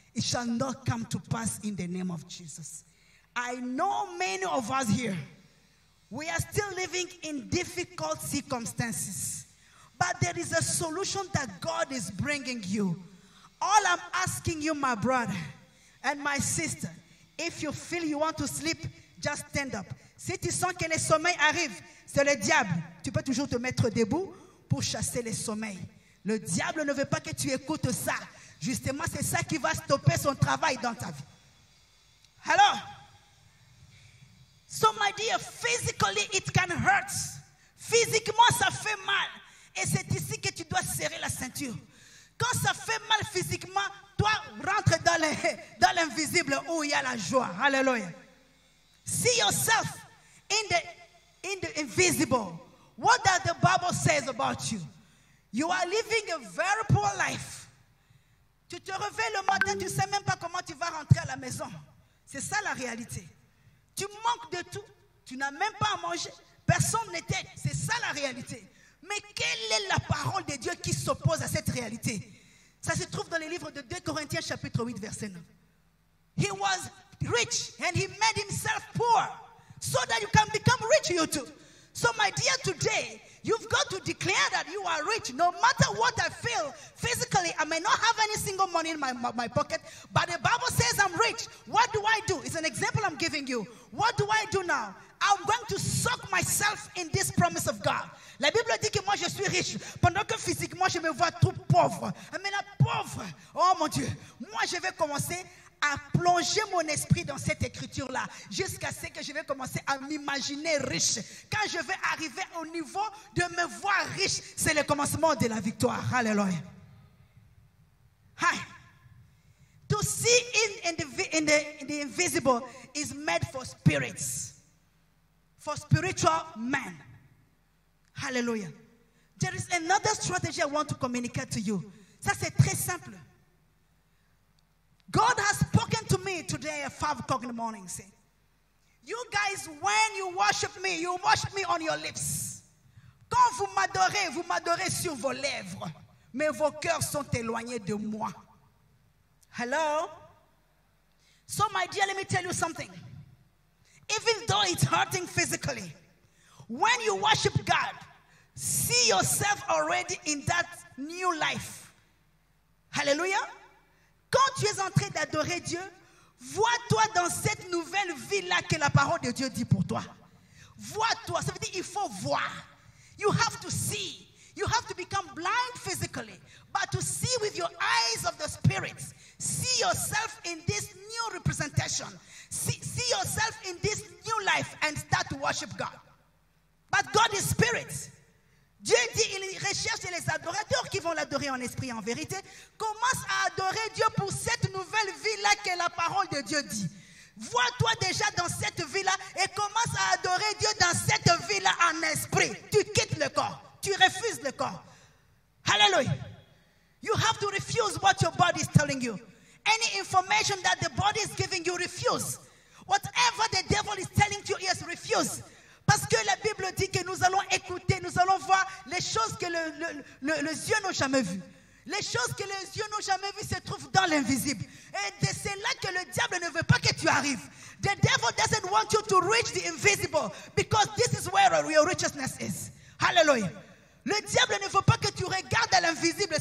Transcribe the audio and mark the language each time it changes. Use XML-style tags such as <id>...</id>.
<en>It shall not come to pass in the name of Jesus. I know many of us here, we are still living in difficult circumstances. But there is a solution that God is bringing you. All I'm asking you, my brother and my sister, if you feel you want to sleep, just stand up.</en> <fr>Si tu sens que le sommeil arrive, c'est le diable. Tu peux toujours te mettre debout pour chasser le sommeil. Le diable ne veut pas que tu écoutes ça. Justement, c'est ça qui va stopper son travail dans ta vie. Hello?</fr> <en>So, my dear, physically, it can hurt.</en> <fr>Physiquement, ça fait mal. Et c'est ici que tu dois serrer la ceinture. Quand ça fait mal physiquement, toi, rentre dans l'invisible où il y a la joie.</fr> <en>Hallelujah. See yourself in the invisible. What does the Bible says about you? You are living a very poor life.</en> <fr>Tu te réveilles le matin, tu ne sais même pas comment tu vas rentrer à la maison. C'est ça la réalité. Tu manques de tout. Tu n'as même pas à manger. Personne ne t'aide. C'est ça la réalité. Mais quelle est la parole de Dieu qui s'oppose à cette réalité? Ça se trouve dans les livres de 2 Corinthiens chapitre 8 verset 9.</fr> <en>He was rich and he made himself poor so that you can become rich, you too. So my dear, today, you've got to declare that you are rich. No matter what I feel physically, I may not have any single money in my pocket, but the Bible says I'm rich. What do I do? It's an example I'm giving you. What do I do now? I'm going to soak myself in this promise of God.</en> <fr>La Bible dit que moi je suis riche, pendant que physiquement je me vois tout pauvre. Mais la pauvre, oh mon Dieu, moi je vais commencer à plonger mon esprit dans cette écriture-là, jusqu'à ce que je vais commencer à m'imaginer riche. Quand je vais arriver au niveau de me voir riche, c'est le commencement de la victoire. Alléluia. Hi.</fr> <en>To see in the invisible is made for spirits. For spiritual men. Hallelujah. There is another strategy I want to communicate to you.</en> <fr>Ça, c'est très simple.</fr> <en>God has spoken to me today at 5 o'clock in the morning. Say, you guys, when you worship me on your lips.</en> <fr>Quand vous m'adorez sur vos lèvres. Mais vos cœurs sont éloignés de moi. Hello?</fr> <en>So, my dear, let me tell you something. Even though it's hurting physically, when you worship God, see yourself already in that new life. Hallelujah.</en> <fr>Quand tu es en train d'adorer Dieu, vois-toi dans cette nouvelle vie-là que la parole de Dieu dit pour toi. Vois-toi. Ça veut dire il faut voir.</fr> <en>You have to see. You have to become blind physically, but to see with your eyes of the spirit. See yourself in this new representation. See yourself in this new life and start to worship God. But God is spirit.</en> <fr>Dieu dit, il recherche les adorateurs qui vont l'adorer en esprit, en vérité. Commence à adorer Dieu pour cette nouvelle vie-là que la parole de Dieu dit. Vois-toi déjà dans cette vie-là et commence à adorer Dieu dans cette vie-là en esprit. Tu quittes le corps. Tu refuses le corps. Hallelujah.</fr> <en>You have to refuse what your body is telling you. Any information that the body is giving you, refuse. Whatever the devil is telling you, yes, refuse.</en> <fr>Parce que la Bible dit que nous allons écouter, nous allons voir les choses que les yeux n'ont jamais vues. Les choses que les yeux n'ont jamais vues se trouvent dans l'invisible. Et c'est là que le diable ne veut pas que tu arrives.</fr> <en>The devil doesn't want you to reach the invisible because this is where your righteousness is. Hallelujah.</en> <fr>Le diable ne veut pas que tu regardes à l'invisible.</fr>